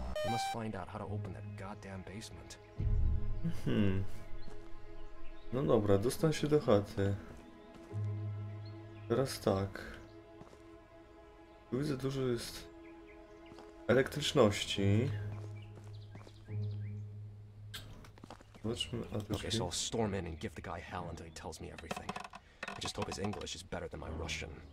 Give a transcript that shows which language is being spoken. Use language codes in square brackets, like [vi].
[en] Must find out how to open that goddamn basement. [pl] No dobra, dostań się do chaty. Teraz tak. Tu widzę dużo jest elektryczności. Zobaczmy atmosferę. [en] Okay, so I'll storm in and give the guy hell until he tells me everything. I just hope his English is better than my Russian.